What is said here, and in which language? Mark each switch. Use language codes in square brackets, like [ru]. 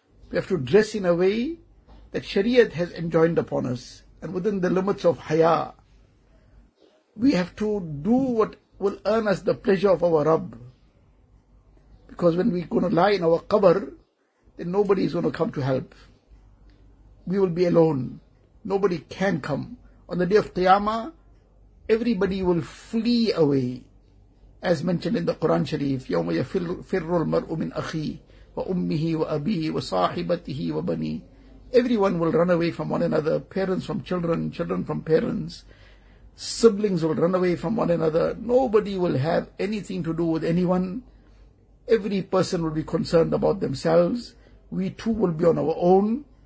[en] We have to dress in a way that Shariat has enjoined upon us, and within the limits of Haya, we have to do what will earn us the pleasure of our Rabb. Because when we're going to lie in our qabr, then nobody is going to come to help. We will be alone. Nobody can come. On the day of Qiyamah, everybody will flee away. [ar] As mentioned in the Quran Sharif, يَوْمَ يَفِرُّ الْمَرْءُ مِنْ أَخِيهِ وَأُمِّهِ وَأَبِيهِ وَصَاحِبَتِهِ وَبَنِيهِ. [en] Everyone will run away from one another. Parents from children, children from parents. Siblings will run away from one another. Nobody will have anything to do with anyone. Every person will be concerned about themselves. We too will be on our own.